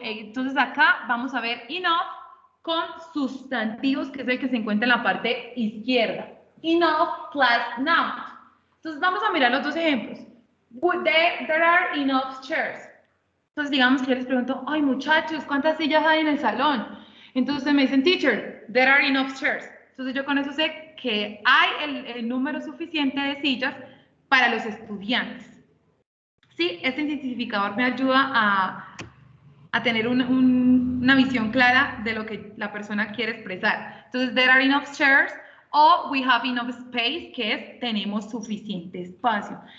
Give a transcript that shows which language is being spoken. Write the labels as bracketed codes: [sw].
[es] Entonces acá vamos a ver enough con sustantivos, que es el que se encuentra en la parte izquierda. [en] Enough plus noun. [es] Entonces vamos a mirar los dos ejemplos. [en] There are enough chairs. [es] Entonces, digamos que yo les pregunto, ay, muchachos, ¿cuántas sillas hay en el salón? Entonces me dicen, teacher, [en] there are enough chairs. [es] Entonces yo con eso sé que hay el número suficiente de sillas para los estudiantes. Sí, este intensificador me ayuda a tener una visión clara de lo que la persona quiere expresar. Entonces, [en] there are enough chairs, [es] o [en] we have enough space, [es] que es tenemos suficiente espacio.